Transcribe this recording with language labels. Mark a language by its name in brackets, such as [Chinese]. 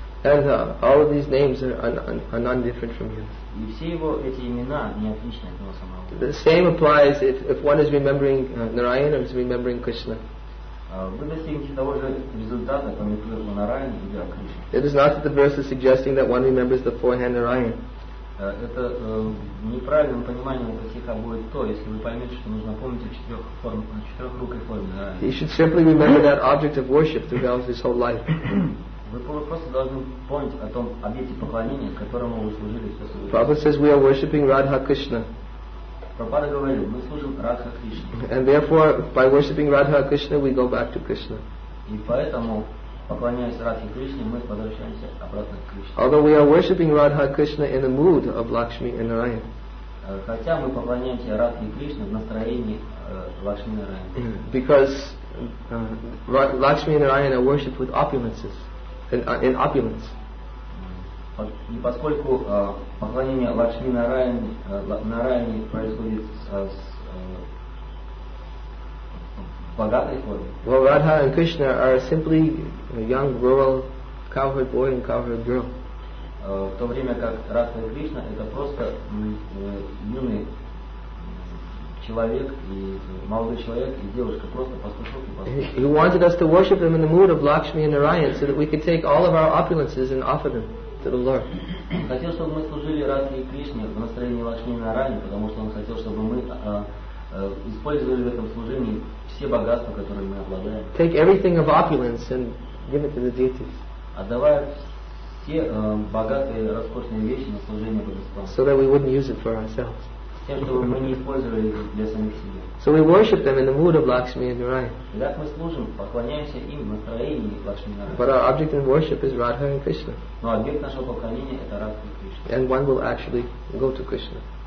[English] And all of these names are non-different from you. [Russian] И все его эти имена не отличны от него самого. [English] The same applies if one is remembering Narayana or is remembering Krishna. [Russian] Вы достигнете того же результата, памятуя Нараяну или Кришну. [English] It is not that the verse is suggesting that one remembers the four-hand Narayana. [Russian] Это неправильным пониманием этого стиха будет то, если вы поймете, что нужно помнить о четырех формах, четырехрукой форме Нараяны. [English] He should simply remember that object of worship throughout his whole life. [Russian] Вы просто должны помнить о том объекте поклонения, которому вы служили всю свою жизнь. [English] Prabhupada says we are worshipping Radha Krishna. [Russian] Prabhupada говорил, мы служим Радха Кришне. [English] And therefore, by worshipping Radha Krishna, we go back to Krishna. [Russian] И поэтому, поклоняясь Радхе Кришне, мы возвращаемся обратно к Кришне. [English] Although we are worshipping Radha Krishna in the mood of Lakshmi and Narayana. [Russian] Хотя мы поклоняемся Радхе Кришне в настроении Лакшми и Нараяны. [English] Because Lakshmi and Narayana are worshipped with opulences. In opulence. [Russian] И поскольку поклонение Лакшми Нараяне происходит с богатой формой. [English] Well, Radha and Krishna are simply a young rural cowherd boy and cowherd girl. [Russian] В то время как Радха и Кришна это просто юный человек и молодой человек и девушка просто пастушок и пастушок. [English] He wanted us to worship them in the mood of Lakshmi and Narayana so that we could take all of our opulences and offer them to the Lord. [Russian] Хотел, чтобы мы служили Радхе и Кришне в настроении Лакшми и Нараяны, потому что он хотел, чтобы мы использовали в этом служении все богатства, которые мы обладаем. [English] Take everything of opulence and give it to the deities. [Russian] Отдавая все богатые роскошные вещи на служение божествам. [English] So that we wouldn't use it for ourselves. So we worship them in the mood of Lakshmi and Narayana. But our object in worship is Radha and Krishna. And one will actually go to Krishna.